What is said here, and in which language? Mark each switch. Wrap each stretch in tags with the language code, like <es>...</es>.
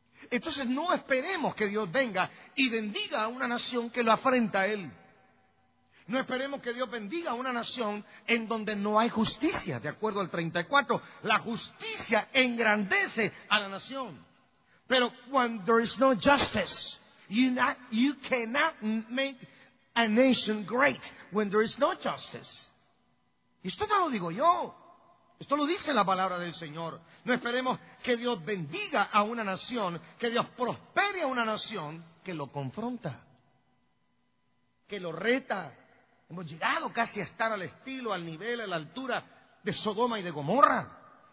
<es>Entonces no esperemos que Dios venga y bendiga a una nación que lo afrenta a Él. No esperemos que Dios bendiga a una nación en donde no hay justicia. De acuerdo al 34, la justicia engrandece a la nación. Pero cuando</es> <en>there is no justice, you cannot make a nation great when there is no justice.</en> <es>Y esto no lo digo yo. Esto lo dice la palabra del Señor. No esperemos que Dios bendiga a una nación, que Dios prospere a una nación que lo confronta, que lo reta. Hemos llegado casi a estar al estilo, al nivel, a la altura de Sodoma y de Gomorra.</es>